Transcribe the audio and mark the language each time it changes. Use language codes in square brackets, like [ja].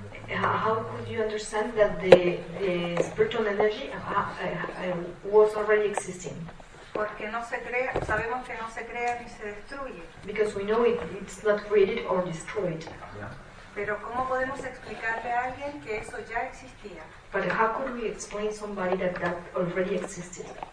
[en] How could you understand that the spiritual energy was already existing? [es] Porque no se crea, sabemos que no se crea ni se destruye. [en] Because we know it's not created or destroyed. Yeah. [es] Pero cómo podemos explicarle a alguien que eso ya existía? [en] But how could we explain somebody that already existed?